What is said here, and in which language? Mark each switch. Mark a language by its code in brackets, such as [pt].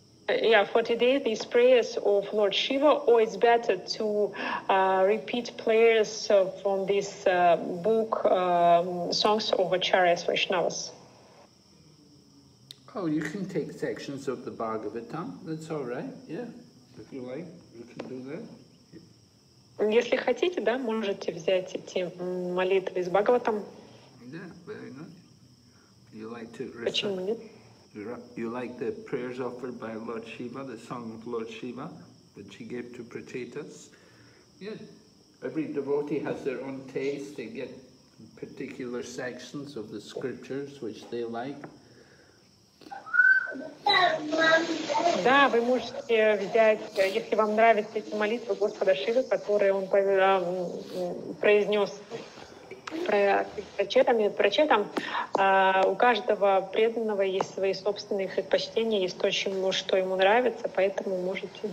[en] Yeah, for today, these prayers of Lord Shiva, or it's better to repeat prayers from this book, Songs of Acharyas Vaishnavas. Oh, you can take sections of the Bhagavatam, that's all right, yeah. If you like, you can do that. [ru] Если хотите, да, можете взять эти молитвы из Бхагаватам. [en] Да, very nice. You like to [ru] recite? Почему нет? [en] You like the prayers offered by Lord Shiva, the song of Lord Shiva, that she gave to Prachetas? Yeah. Every devotee has their own taste. They get particular sections of the scriptures which they like. [ru] Да, вы можете взять, если вам нравятся эти молитвы Господа Шивы, которые он произнес прочетом, у каждого преданного есть свои собственные предпочтения, есть то, чему, что ему нравится, поэтому можете...